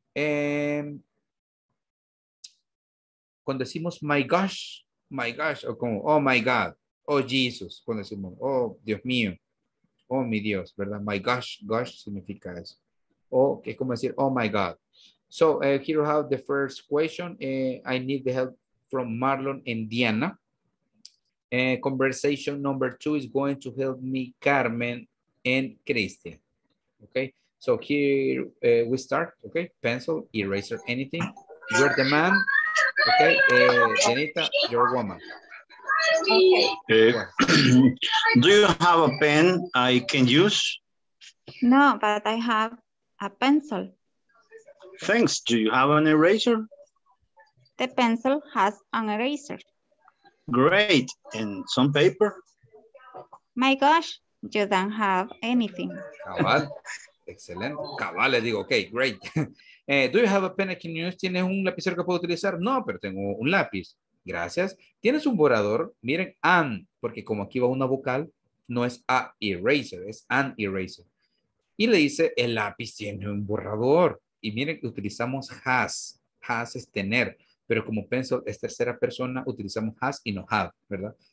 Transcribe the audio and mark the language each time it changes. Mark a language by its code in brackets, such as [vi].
[es] Cuando decimos my gosh, o como, [en] oh my God, oh Jesus, [es] cuando decimos, oh Dios mío, oh mi Dios, ¿verdad? My gosh, gosh significa eso. O que es como decir, oh my God. [en] So, here we have the first question. I need the help from Marlon and Diana. Conversation number two is going to help me, Carmen and Christian. Okay, so here we start. Okay, pencil, eraser, anything. You're the man. Okay, Janita, you're a woman. Do you have a pen I can use? No, but I have a pencil. Thanks. Do you have an eraser? The pencil has an eraser. Great. And some paper? My gosh, you don't have anything. [es] Cabal. [en] Excellent. [es] Cabal, le digo. [en] Okay, great. Do you have a pen I can use? [es] ¿Tienes un lapicero que puedo utilizar? No, pero tengo un lápiz. Gracias. ¿Tienes un borrador? Miren, an, porque como aquí va una vocal, no es a eraser, es an eraser. Y le dice, el lápiz tiene un borrador. Y miren, utilizamos has. Has es tener. Pero como pencil es tercera persona, utilizamos has y no have, ¿verdad?